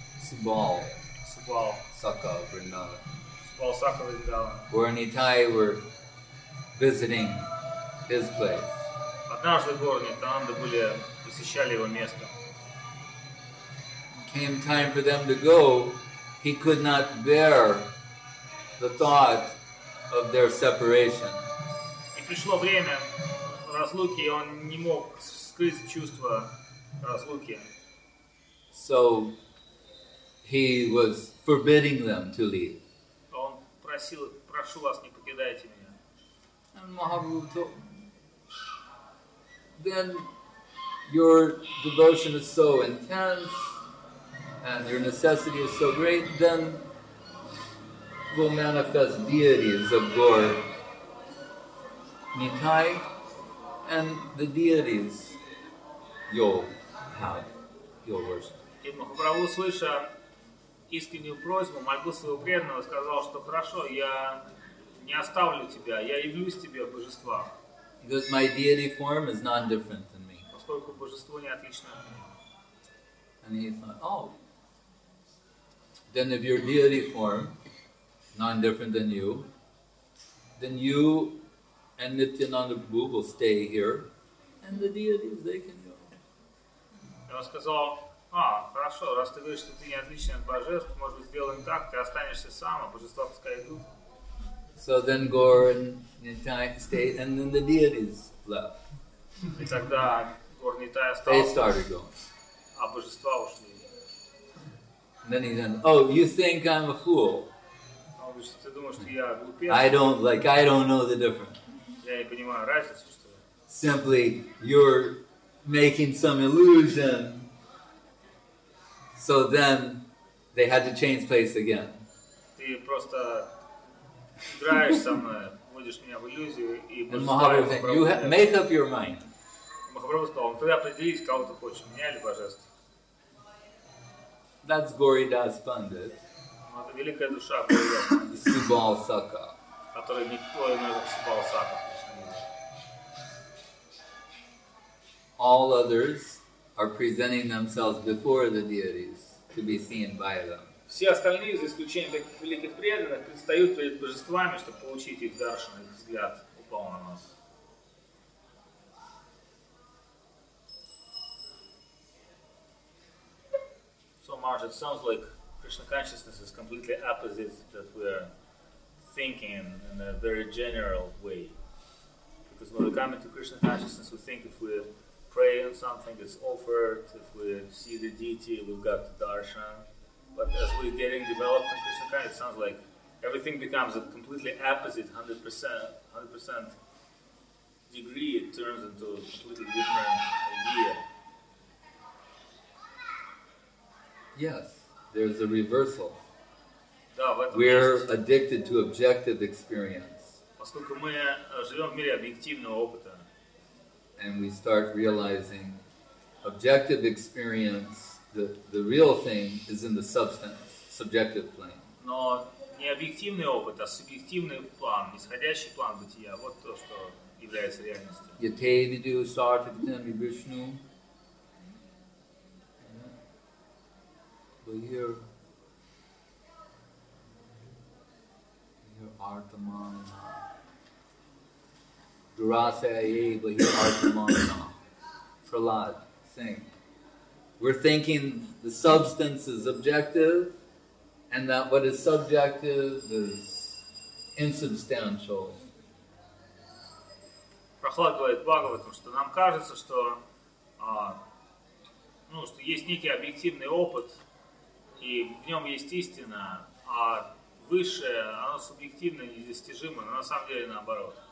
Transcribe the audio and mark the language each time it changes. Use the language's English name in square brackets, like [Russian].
[Russian] Субал, Субал, Сака Вриндава, Субал Сака Вриндава. [English] Гор Нитай were visiting his place. [Russian] Однажды Гор Нитайанда были посещали его место. [English] Came time for them to go, he could not bear the thought of their separation. [Russian] И пришло время разлуки, и он не мог скрыть чувство разлуки. [English] So he was forbidding them to leave. [Russian] Он просил, прошу вас, не покидайте меня. [English] And Mahaprabhu told, then your devotion is so intense and your necessity is so great, then we'll manifest deities of Gaur Nithai and the deities you'll have, you'll worship. [Russian] И Махапрабху, слыша искреннюю просьбу, мольбу своего преданного, сказал, что хорошо, я не оставлю тебя, я явлюсь тебе в божествах. [English] Because my deity form is not different than me. [Russian] Поскольку божество не отлично от меня. [English] And he thought, oh, then if your deity form is not different than you, then you and Nityananda Prabhu will stay here, and the deities, they can go. [Russian] И он сказал, А, хорошо, раз ты говоришь, что ты не отличен от божеств, может быть, сделаем так, ты останешься сам, а божества пускай идут. [English] So then Gaur and Nithai stayed, and then the deities left. [Russian] И тогда Гор Нитай остался. [English] They started going. [Russian] А божества ушли. [English] And then he said, oh, you think I'm a fool? [Russian] Ты думаешь, что я глупец? [English] I don't know the difference. [Russian] Я не понимаю разницу, что ли? [English] Simply, you're making some illusion. So then, they had to change place again. [Russian] Ты просто играешь со мной, вводишь меня в иллюзию и [English] And Mahaprabhu said, "You make up your mind." [Russian] Махапрабху сказал, "Ты определись, кого ты хочешь, меня или божество?" [English] That's Gauridas Pandit. [Russian] Это великая душа. [English] Subal Saka. [Russian] который никто не засыпал сад. [English] All others are presenting themselves before the deities to be seen by them. [Russian] Все остальные, за исключением таких великих преданных, предстают перед божествами, чтобы получить их даршан, их взгляд упал на нас. [English] So much, it sounds like Krishna consciousness is completely opposite that we are thinking in a very general way. Because when we come into Krishna consciousness, we think if we pray on something, it's offered, if we see the deity, we've got the darshan. But as we're getting developed in Krishna consciousness, it sounds like everything becomes a completely opposite, 100% degree, it turns into a completely different idea. Yes, there's a reversal. [Russian] Да, в этом [English] we're [Russian] есть. [English] Addicted to objective experience. [Russian] Поскольку мы живем в мире объективного опыта. [English] And we start realizing objective experience, the real thing is in the substance, subjective plane. [Russian] Но не объективный опыт, а субъективный план, нисходящий план бытия, вот то, что является реальностью. Yate vidu sartitam vibhishnu. But here Artaman Durasaya, but here Artamana. [English] Prahlad, think. We're thinking the substance is objective and that what is subjective is insubstantial. [Russian] Прохлад говорит Бхагаватам, что нам кажется, что что есть некий объективный опыт. И в нем есть истина, а высшее, оно субъективно, недостижимо, но на самом деле наоборот.